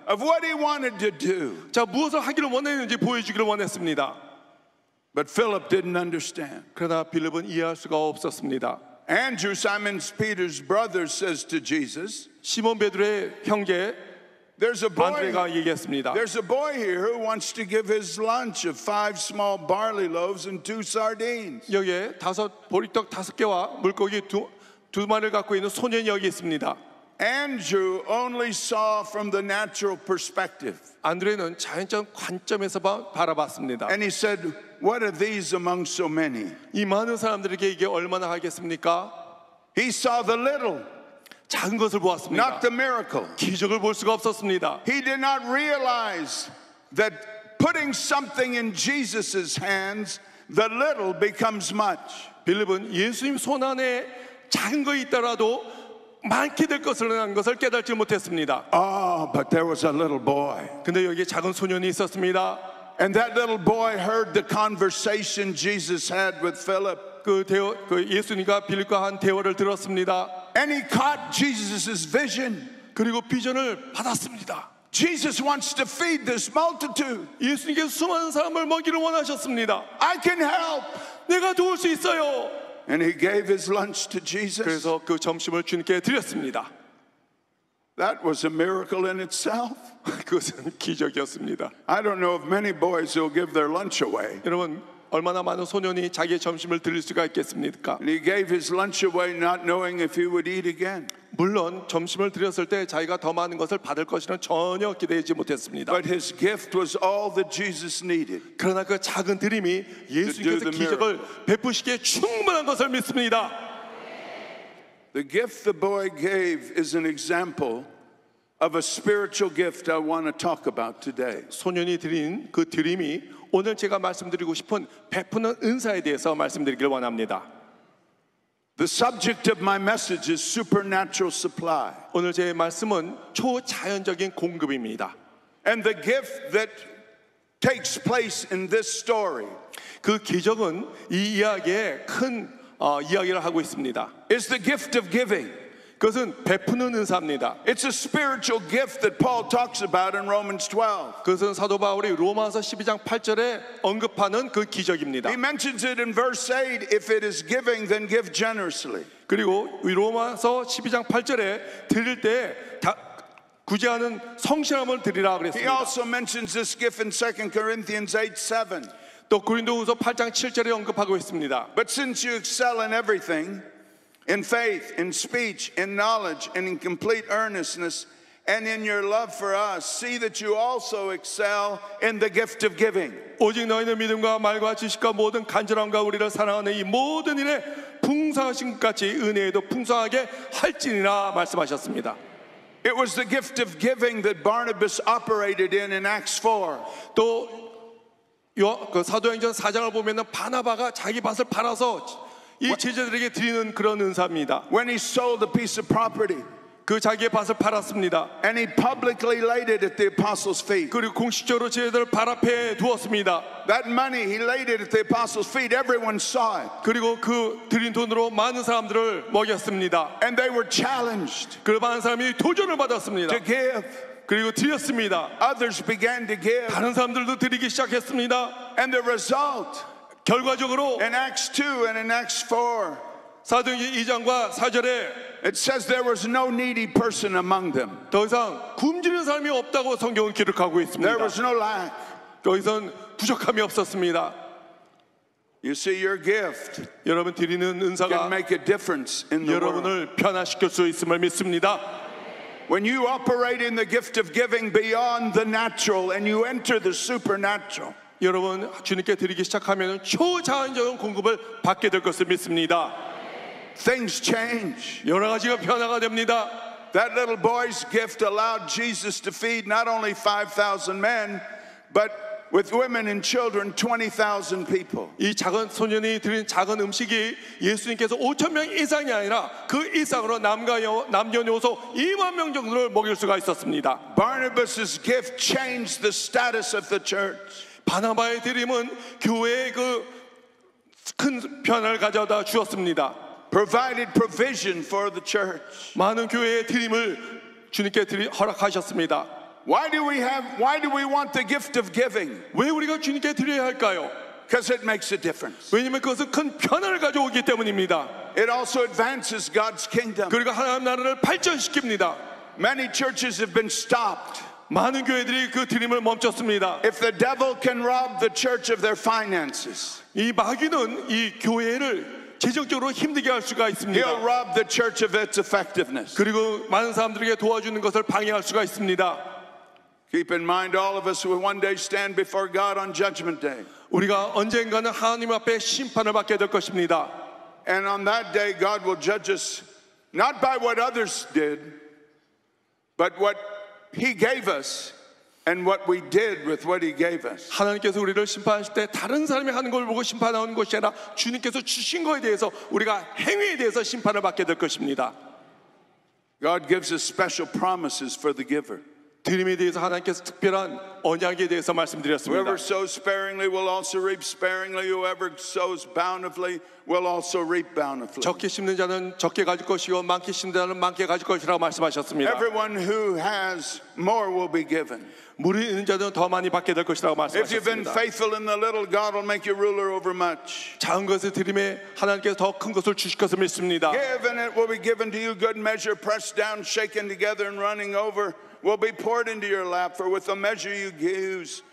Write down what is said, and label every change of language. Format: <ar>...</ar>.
<en>Of what he wanted to do.</en> <ko>자, 무엇을 하기를 원했는지 보여주기를 원했습니다.</ko> <en>But Philip didn't understand.</en> <ko>그러나 빌립은 이해할 수가 없었습니다.</ko> <en>Andrew, Simon Peter's brother, says to Jesus.</en> <ko>시몬 베드로의 형제</ko> <en>There's a boy.</en> <ko>안드레가 얘기했습니다.</ko> <en>There's a boy here who wants to give his lunch of 5 small barley loaves and 2 sardines.</en> <ko>여기에 다섯 보리떡 다섯 개와 물고기 두 마리를 갖고 있는 소년이 여기 있습니다.</ko> <en>Andrew only saw from the natural perspective.</en> <ko>안드레는 자연적 관점에서 바라봤습니다.</ko> <en>And he said, "What are these among so many?"</en> <ko>이 많은 사람들에게 이게 얼마나 하겠습니까?</ko> <en>He saw the little.</en> <ko>작은 것을 보았습니다.</ko> <en>Not the miracle.</en> <ko>기적을 볼 수가 없었습니다.</ko> <en>He did not realize that putting something in Jesus' hands, the little becomes much.</en> <ko>빌립은 예수님 손 안에 작은 거 있더라도 많게 될 것을 한 것을 깨닫지 못했습니다.</ko> <en>Ah, oh, but there was a little boy.</en> <ko>근데 여기 작은 소년이 있었습니다.</ko> <en>And that little boy heard the conversation Jesus had with Philip.</en> <ko>그 예수님과 빌립과 한 대화를 들었습니다.</ko> <en>And he caught Jesus' vision.</en> <ko>그리고 비전을 받았습니다.</ko> <en>Jesus wants to feed this multitude.</en> <ko>예수님께서 수많은 사람을 먹이를 원하셨습니다.</ko> <en>I can help.</en> <ko>내가 도울 수 있어요.</ko> <en>And he gave his lunch to Jesus.</en> <ko>그래서 그 점심을 주님께 드렸습니다.</ko> <en>That was a miracle in itself.</en> <ko>그것은 기적이었습니다.</ko> <en>I don't know of many boys who give their lunch away.</en> <ko>여러분 얼마나 많은 소년이 자기의 점심을 드릴 수가 있겠습니까?</ko> <en>And he gave his lunch away, not knowing if he would eat again.</en> <ko>물론 점심을 드렸을 때 자기가 더 많은 것을 받을 것이라는 전혀 기대하지 못했습니다.</ko> <en>But his gift was all that Jesus needed.</en> <ko>그러나 그 작은 드림이 예수님께서 기적을 베푸시기에 충분한 것을 믿습니다.</ko> <en>The gift the boy gave is an example of a spiritual gift I want to talk about today.</en> <ko>소년이 드린 그 드림이 오늘 제가 말씀드리고 싶은 베푸는 은사에 대해서 말씀드리길 원합니다.</ko> <en>The subject of my message is supernatural supply.</en> <ko>오늘 제 말씀은 초자연적인 공급입니다.</ko> <en>And the gift that takes place in this story.</en> <ko>그 기적은 이 이야기에 큰 이야기를 하고 있습니다.</ko> <en>Is the gift of giving.</en> <ko>그것은 베푸는 은사입니다.</ko> <en>It's a spiritual gift that Paul talks about in Romans 12.</en> <ko>그것은 사도 바울이 로마서 12장 8절에 언급하는 그 기적입니다.</ko> <en>He mentions it in verse 8. If it is giving, then give generously.</en> <ko>그리고 로마서 12장 8절에 드릴 때 구제하는 성실함을 드리라 그랬습니다.</ko> <en>He also mentions this gift in 2 Corinthians 8, 7.</en> <ko>또 고린도후서 8장 7절에 언급하고 있습니다.</ko> <en>But since you excel in everything, in faith, in speech, in knowledge, and in complete earnestness, and in your love for us, see that you also excel in the gift of giving.</en> <ko>오직 너희는 믿음과 말과 지식과 모든 간절함과 우리를 사랑하는 이 모든 일에 풍성하신 것 같이 은혜에도 풍성하게 할지니라 말씀하셨습니다.</ko> <en>It was the gift of giving that Barnabas operated in Acts 4.</en> <ko>또 그 사도행전 4장을 보면은 바나바가 자기 밭을 팔아서 이 제자들에게 드리는 그런 은사입니다.</ko> <en>When he sold a piece of property,</en> <ko>그 자기의 밭을 팔았습니다.</ko> <en>And he publicly laid it at the apostles' feet.</en> <ko>그리고 공식적으로 제자들 발 앞에 두었습니다.</ko> <en>That money he laid it at the apostles' feet. Everyone saw it.</en> <ko>그리고 그 드린 돈으로 많은 사람들을 먹였습니다.</ko> <en>And they were challenged.</en> <ko>그 많은 사람이 도전을 받았습니다.</ko> <en>To give.</en> <ko>그리고 드렸습니다.</ko> <en>Others began to give.</en> <ko>다른 사람들도 드리기 시작했습니다.</ko> <en>And the result.</en> <ko>결과적으로</ko> <en>in Acts 2 and in Acts 4</en> <ko>사도행전 2장과 4절에</ko> <en>it says there was no needy person among them.</en> <ko>더 이상 굶주린 사람이 없다고 성경은 기록하고 있습니다.</ko> <en>There was no lack.</en> <ko>더 이상 부족함이 없었습니다.</ko> <en>You see your gift.</en> <ko>여러분 드리는 은사가</ko> <en>can make a difference in the</en> <ko>여러분을</ko> <en>world.</en> <ko>변화시킬 수 있음을 믿습니다.</ko> <en>When you operate in the gift of giving beyond the natural and you enter the supernatural.</en> <ko>여러분 주님께 드리기 시작하면 초자연적인 공급을 받게 될 것을 믿습니다.</ko> <en>Things change.</en> <ko>여러 가지가 변화가 됩니다.</ko> <en>That little boy's gift allowed Jesus to feed not only 5,000 men, but with women and children 20,000 people.</en> <ko>이 작은 소년이 드린 작은 음식이 예수님께서 5천 명 이상이 아니라 그 이상으로 남과 여 남녀노소 2만 명 정도를 먹일 수가 있었습니다.</ko> <en>Barnabas's gift changed the status of the church.</en> <ko>바나바의 드림은 교회의 그 큰 변화를 가져다 주었습니다.</ko> <en>Provided provision for the church.</en> <ko>많은 교회의 드림을 주님께 허락하셨습니다.</ko> <en>Why do we want the gift of giving?</en> <ko>왜 우리가 주님께 드려야 할까요?</ko> <en>Because it makes a difference.</en> <ko>왜냐면 그것은 큰 변화를 가져오기 때문입니다.</ko> <en>It also advances God's kingdom.</en> <ko>그리고 하나님 나라를 발전시킵니다.</ko> <en>Many churches have been stopped.</en> <ko>많은 교회들이 그 드림을 멈췄습니다.</ko> <en>If the devil can rob the church of their finances,</en> <ko>이 마귀는 이 교회를 재정적으로 힘들게 할 수가 있습니다.</ko> <en>He'll rob the church of its effectiveness.</en> <ko>그리고 많은 사람들에게 도와주는 것을 방해할 수가 있습니다.</ko> <en>Keep in mind, all of us will one day stand before God on Judgment Day.</en> <ko>우리가 언젠가는 하나님 앞에 심판을 받게 될 것입니다.</ko> <en>And on that day, God will judge us not by what others did, but what He gave us and what we did with what He gave us.</en> <ko>하나님께서 우리를 심판하실 때 다른 사람이 하는 걸 보고 심판하는 것이 아니라 주님께서 주신 거에 대해서 우리가 행위에 대해서 심판을 받게 될 것입니다.</ko> <en>God gives us special promises for the giver.</en> <ko>드림에 대해서 하나님께서 특별한 언약에 대해서 말씀드렸습니다.</ko> <en>Whoever sows sparingly will also reap sparingly. Whoever sows bountifully will also reap bountifully.</en> <ko>적게 심는 자는 적게 가질 것이요 많게 심는 자는 많게 가질 것이라고 말씀하셨습니다.</ko> <en>Everyone who has more will be given.</en> <ko>무리 있는 자는 더 많이 받게 될 것이라고 말씀하셨습니다.</ko> <en>If you've been faithful in the little, God will make you ruler over much.</en> <ko>작은 것을 드림에 하나님께서 더 큰 것을 주실 것을 믿습니다.</ko> <en>Given it will be given to you, good measure, pressed down, shaken together, and running over. Will be poured into your lap, for with the measure you use,</en>